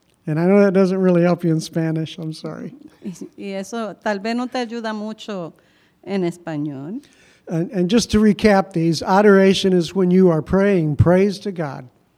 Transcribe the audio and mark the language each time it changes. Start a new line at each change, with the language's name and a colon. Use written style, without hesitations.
English: And I know that doesn't really help you in Spanish. I'm sorry.
Spanish: Y eso tal vez no te ayuda mucho en español.
English: And just to recap these, adoration is when you are praying praise to God.